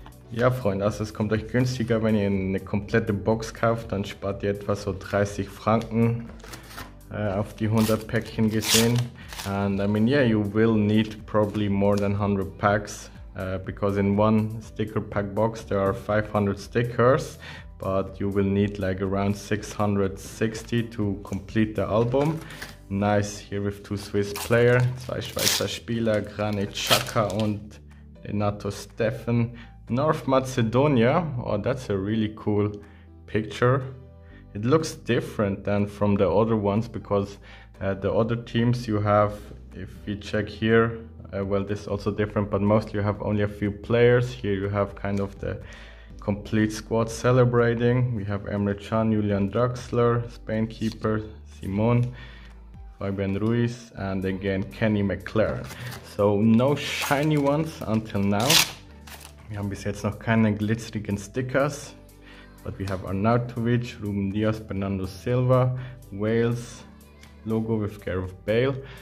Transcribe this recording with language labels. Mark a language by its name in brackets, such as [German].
[German] Ja, Freunde, also es kommt euch günstiger, wenn ihr eine komplette Box kauft, dann spart ihr etwa so 30 Franken auf die 100 Päckchen gesehen. [English] And I mean, yeah, you will need probably more than 100 packs, because in one sticker pack box there are 500 stickers, but you will need like around 660 to complete the album. Nice, here with two Swiss players, [German] zwei Schweizer Spieler, [English] Granit Xhaka und Renato Steffen. North Macedonia, oh, that's a really cool picture. It looks different than from the other ones, because the other teams you have, if we check here, well, this is also different, but mostly you have only a few players. Here you have kind of the complete squad celebrating. We have Emre Can, Julian Draxler, Spain keeper, Simon. Fabian Ruiz, and again Kenny McLaren. So no shiny ones until now. [German] Wir haben bis jetzt noch keine glitzerigen Stickers. [English] But we have Arnautovic, Ruben Diaz, Bernardo Silva, Wales logo with Gareth Bale.